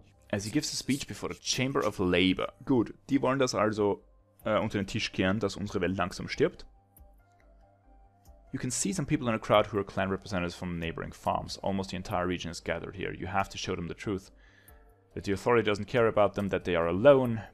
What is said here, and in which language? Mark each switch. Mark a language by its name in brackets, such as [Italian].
[English] As he gives a speech before the Chamber of Labor. [German] Gut, die wollen das also unter den Tisch kehren, dass unsere Welt langsam stirbt. [English] You can see some people in a crowd who are clan representatives from neighboring farms. Almost the entire region is gathered here. You have to show them the truth. That the authority doesn't care about them, that they are alone.